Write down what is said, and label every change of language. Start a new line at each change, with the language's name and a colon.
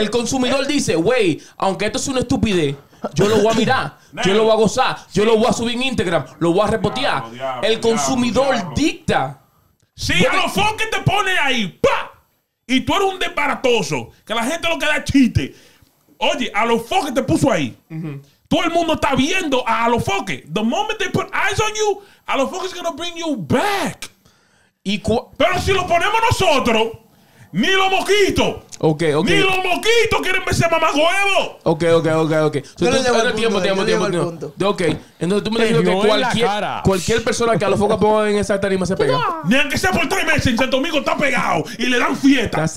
Spanish: El consumidor dice, güey, aunque esto es una estupidez, yo lo voy a mirar, negro. Yo lo voy a gozar, sí. Yo lo voy a subir en Instagram, lo voy a repotear. El consumidor dicta. Sí, a los fondos que te pones ahí, ¡pa! Y tú eres un desbaratoso, que la gente lo queda chiste. Oye, a los fondos que te puso ahí. Uh-huh. Todo el mundo está viendo a Alofoque.
English: The moment they put eyes on you, Alofoque is going to bring you back.
Spanish: Pero si lo ponemos nosotros, ni los moquitos.
English: Okay, okay.
Spanish: Ni los moquitos quieren verse mamá huevo.
English: Ok.
Spanish: Yo le llevo el punto.
English: Ok.
Spanish: Entonces tú me dijiste que cualquier persona que Alofoque ponga en esa tarima se pega. Ni aunque sea por 3 meses, en Santo Domingo está pegado y le dan fiesta.